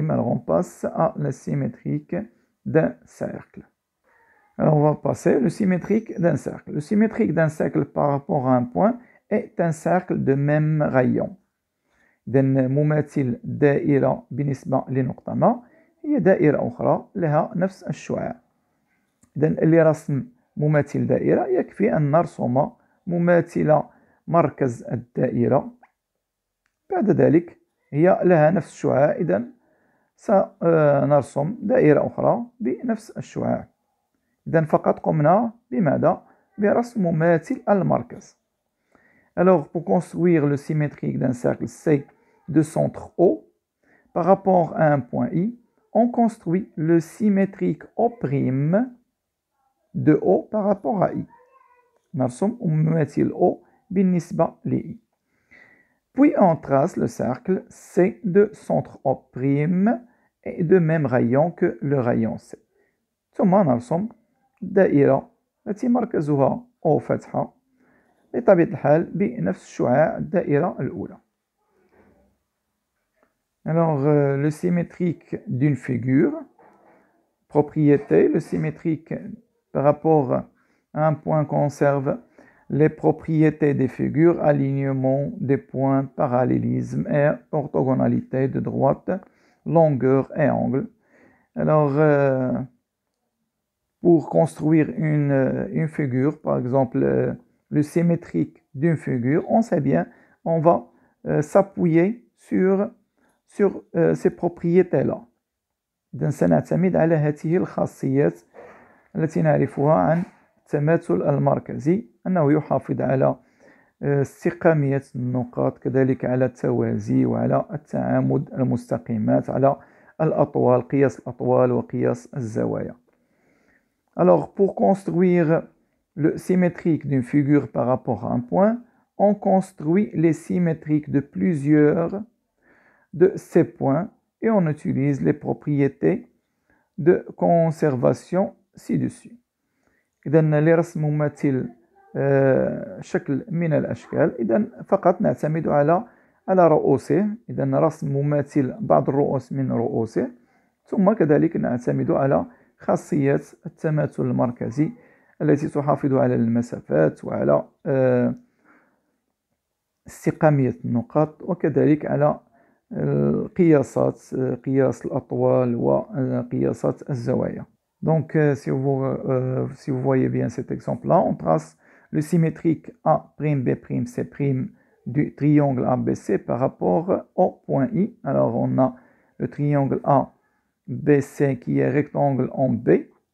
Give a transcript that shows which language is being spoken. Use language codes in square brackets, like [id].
[fr] Alors, on passe à la symétrique d'un cercle. Alors, on va passer le symétrique d'un cercle. Le symétrique d'un cercle par rapport à un point est un cercle de même rayon. [ar] Donc, مماثل دائرة بالنسبة لنقطة ما هي دائرة أخرى لها نفس الشعاع. إذن لرسم مماثل دائرة يكفي أن نرسم مماثلة مركز الدائرة بعد ذلك هي لها نفس الشعاع إذن سنرسم دائرة أخرى بنفس الشعاع إذن فقط قمنا بماذا؟ برسم مماثل المركز. [fr] Alors pour construire le symétrique d'un cercle C de centre O par rapport à un point I, on construit le symétrique O' de O par rapport à I. [ar] نرسم مماثل O بالنسبة لI. [fr] Puis on trace le cercle C de centre O' et de même rayon que le rayon C. [ar] ثم نرسم دائرة التي مركزها O فتحة بطبيعة الحال بنفس شعاع الدائرة الأولى. [fr] Alors, le symétrique d'une figure. Propriété, le symétrique par rapport un point conserve les propriétés des figures, alignement des points, parallélisme et orthogonalité de droite, longueur et angle. Alors, pour construire une figure, par exemple, le symétrique d'une figure, on sait bien, on va s'appuyer sur ces propriétés-là. Donc, on s'appuie sur ces propriétés-là. [ar] التماثل المركزي أنه يحافظ على استقامية النقاط كذلك على التوازي وعلى التعامد المستقيمات على الأطوال قياس الأطوال وقياس الزوايا. [fr] Alors pour construire le symétrique d'une figure par rapport à un point, on construit les symétriques de plusieurs de ces points et on utilise les propriétés de conservation ci-dessus. [ar] إذن لرسم مماثل شكل من الأشكال إذن فقط نعتمد على على رؤوسه، إذا رأس مماثل بعض الرؤوس من رؤوسه. ثم كذلك نعتمد على خاصيات التماثل المركزي التي تحافظ على المسافات وعلى استقامية النقاط، وكذلك على القياسات، قياس الأطوال وقياسات الزوايا. [fr] Donc, si vous, si vous voyez bien cet exemple-là, on trace le symétrique A'B'C' du triangle ABC par rapport au point I. Alors, on a le triangle ABC qui est rectangle en B.